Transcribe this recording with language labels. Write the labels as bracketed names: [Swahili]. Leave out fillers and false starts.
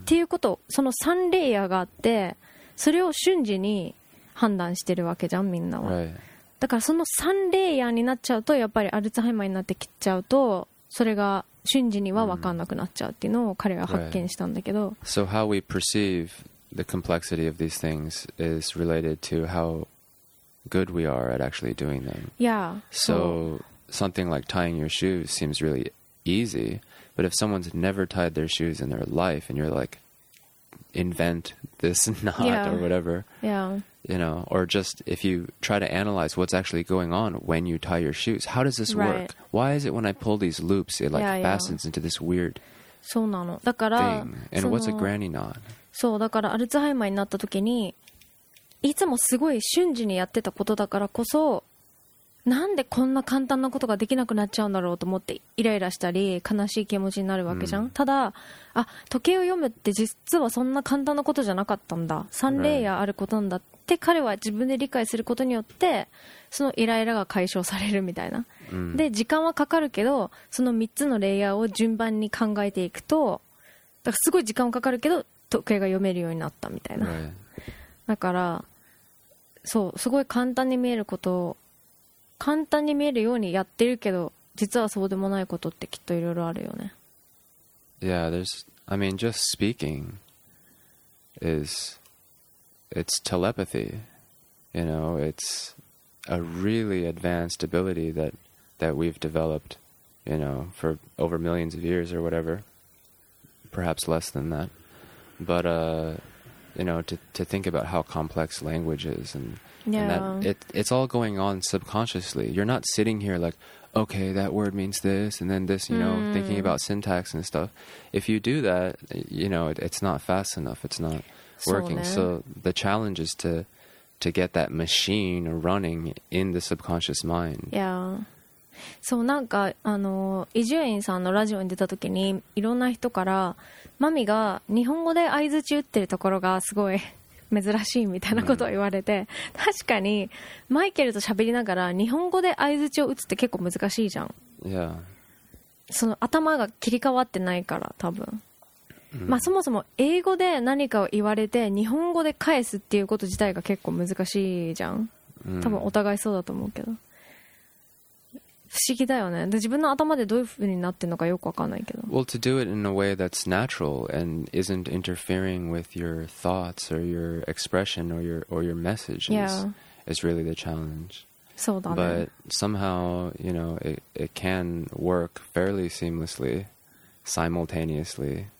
[Japanese] っていうこと、その3レイヤーがあって、それを瞬時に判断してるわけじゃんみんなは、はい、だからその3レイヤーになっちゃうと、やっぱりアルツハイマーになってきちゃうと、それが瞬時には分かんなくなっちゃうっていうのを彼は発見したんだけど、 [English] right. So how we perceive the complexity of these things is related to how good we are at actually doing them. Yeah. So something like tying your shoes seems really easy, but if someone's never tied their shoes in their life and you're like, invent this knot, yeah. or whatever. Yeah. You know, or just if you try to analyze what's actually going on when you tie your shoes, how does this work? Right. Why is it when I pull these loops, it like fastens into this weird thing? [Japanese] そうなの。だから、 [English] And what's a granny knot? [Japanese] そう、だからアルツハイマーになった時に、いつもすごい瞬時にやってたことだからこそ、なんでこんな簡単なことができなくなっちゃうんだろうと思ってイライラしたり悲しい気持ちになるわけじゃん、うん、ただあ、時計を読むって実はそんな簡単なことじゃなかったんだ、3レイヤーあることなんだって彼は自分で理解することによって、そのイライラが解消されるみたいな、うん、で時間はかかるけど、その3つのレイヤーを順番に考えていくと、だからすごい時間はかかるけど時計が読めるようになったみたいな、だからそう、すごい簡単に見えることを、簡単に見えるようにやってるけど、実はそうでもないことってきっといろいろあるよね。 [English] Yeah, there's, I mean, just speaking is, it's telepathy, you know, it's a really advanced ability that we've developed, you know, for over millions of years or whatever, perhaps less than that, but, you know, to think about how complex language is and Yeah. And that it's all going on subconsciously. You're not sitting here like, okay, that word means this, and then this, you know, thinking about syntax and stuff. If you do that, you know, it's not fast enough. It's not working. So, ね、 so the challenge is to get that machine running in the subconscious mind. Yeah. [Japanese] So, なんか、伊集院さんのラジオに出た時に、いろんな人から、マミが日本語で相槌打ってるところがすごい、珍しいみたいなことを言われて、うん、確かにマイケルと喋りながら日本語で相槌を打つって結構難しいじゃん、 [English] yeah. [Japanese] その頭が切り替わってないから多分、うん、まあそもそも英語で何かを言われて日本語で返すっていうこと自体が結構難しいじゃん、うん、多分お互いそうだと思うけど、不思議だよね、で自分の頭でどういう風になってるのかよく分かんないけど。 [English] Well, to do it in a way that's natural and isn't interfering with your thoughts or your expression or your messages、 yeah. is really the challenge. [Japanese] そうだね。 [English] But somehow, you know, it can work fairly seamlessly, simultaneously,、